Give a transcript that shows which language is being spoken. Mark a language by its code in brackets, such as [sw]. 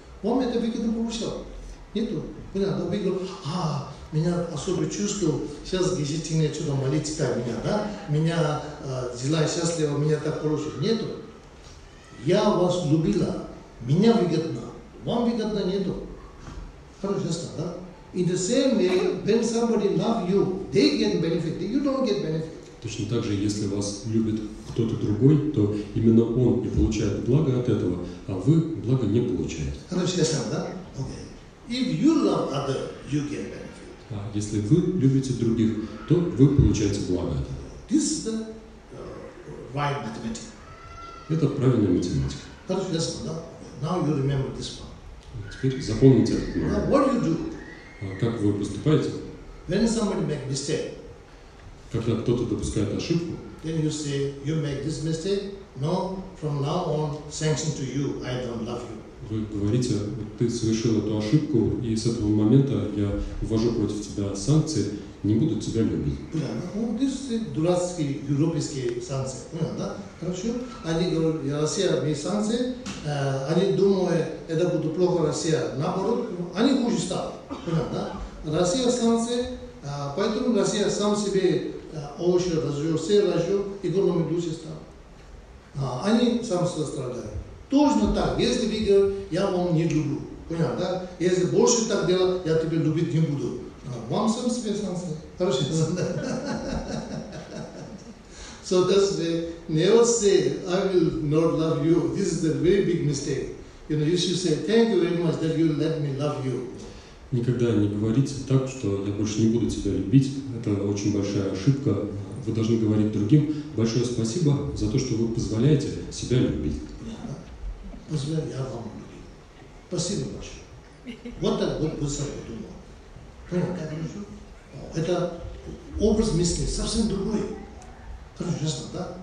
[ru] Вам это выгодно повышал? Нету. Понятно, вы говорите, меня особо чувствовал, сейчас гежительное что-то молитва меня, да? Меня взяла счастлива, меня так хорошо. Нету. Я вас любила, меня выгодно, вам выгодно нету. Хорошо, да? [en] In the same way, when somebody love you, they get benefit, you don't get benefit. [ru] Точно так же, если вас любит кто-то другой, то именно он и получает благо от этого, а вы благо не получаете. Хорошо, да? [en] Okay. If you love other, you get benefit. [ru] А если вы любите других, то вы получаете благо. [en] This is the right mathematics. [ru] Это правильная математика. Хорошо, ясно, да? [en] Now you remember this one. [ru] Теперь запомните этот момент. [en] Now what you do? [ru] Как вы поступаете? [en] When somebody make mistake. [ru] Когда кто-то допускает ошибку. [en] Then you say, you make this mistake. No, from now on, sanction to you, I don't love you. [ru] Вы говорите, ты совершил эту ошибку, и с этого момента я ввожу против тебя санкции, не буду тебя любить. Понятно. Дурацкие европейские санкции. Понятно, да? Хорошо. Они говорят, Россия, мы санкции. Они думают, это будет плохо Россия. Наоборот, они хуже стали. Понятно, да? Россия санкции, поэтому Россия сам себе овощи разжил, все разжил, и горлами души стали. Они сам себя страдают. Точно так, если вы говорите, я вам не люблю, понятно, да? Если больше так делать, я тебя любить не буду. Вам сам себе санкции. Хорошо, я знаю. [en] So that's the way, never say, I will not love you. This is a very big mistake. You know, you should say, thank you very much that you let me love you. [ru] Никогда не говорите так, что я больше не буду тебя любить. Это очень большая ошибка. Вы должны говорить другим, большое спасибо за то, что вы позволяете себя любить. Позволяю, я вам люблю. Спасибо большое. Вот так вот Бодхисаттва подумал. Понятно? Это образ мысли совсем другой. Хорошо, ясно, да?